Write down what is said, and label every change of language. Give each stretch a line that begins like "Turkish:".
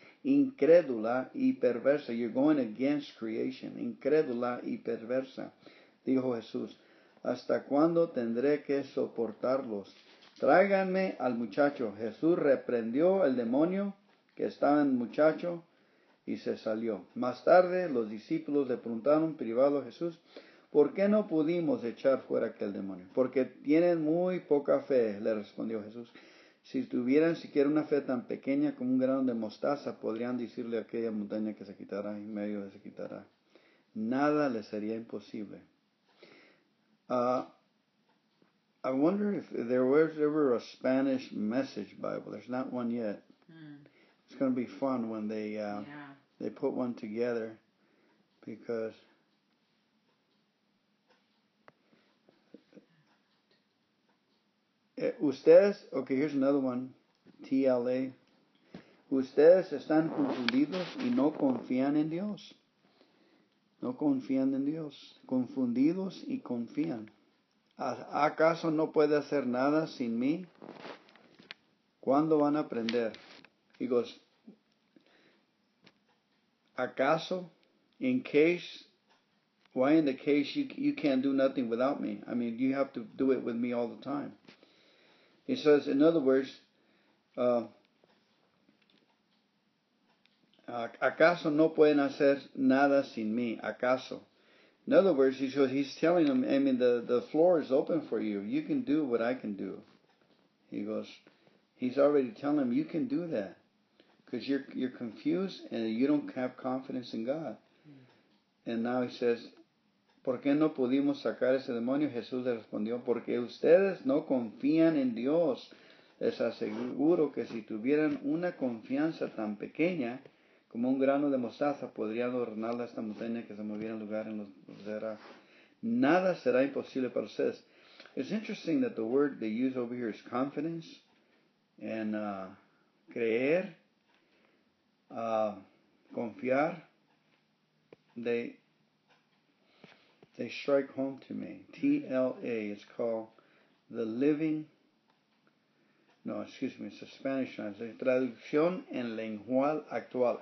Spanish: Incrédula y perversa.
English: You're going against creation.
Spanish: Incrédula y perversa, dijo Jesús. ¿Hasta cuándo tendré que soportarlos? Tráiganme al muchacho. Jesús reprendió al demonio que estaba en el muchacho y se salió. Más tarde, los discípulos le preguntaron privado a Jesús, ¿por qué no pudimos echar fuera aquel demonio? Porque tienen muy poca fe, le respondió Jesús. Si tuvieran siquiera una fe tan pequeña como un grano de mostaza, podrían decirle a aquella montaña que se quitará y medio se quitará. Nada les sería imposible.
English: I wonder if there was ever a Spanish message Bible. There's not one yet. It's going to be fun when they put one together because... ustedes, okay, here's another one, TLA.
Spanish: Ustedes están confundidos y no confían en Dios. No confían en Dios. Confundidos y confían. ¿Acaso no puede hacer nada sin mí? ¿Cuándo van a aprender?
English: He goes,
Spanish: ¿acaso?
English: In the case you can't do nothing without me? I mean, you have to do it with me all the time. He says, in other words,
Spanish: ¿acaso no pueden hacer nada sin mí?
English: ¿Acaso? In other words, he's telling them, I mean, the floor is open for you. You can do what I can do. He goes, he's already telling them, you can do that. Because you're confused and you don't have confidence in God. And now he says,
Spanish: ¿por qué no pudimos sacar ese demonio? Jesús le respondió, porque ustedes no confían en Dios. Les aseguro que si tuvieran una confianza tan pequeña como un grano de mostaza, podrían adornar esta montaña que se moviera en lugar en los deras. Nada será imposible para ustedes.
English: It's interesting that the word they use over here is confidence and creer, confiar. They strike home to me. TLA is called the living. No, excuse me. It's a Spanish translation.
Spanish: Traducción en lenguaje actual.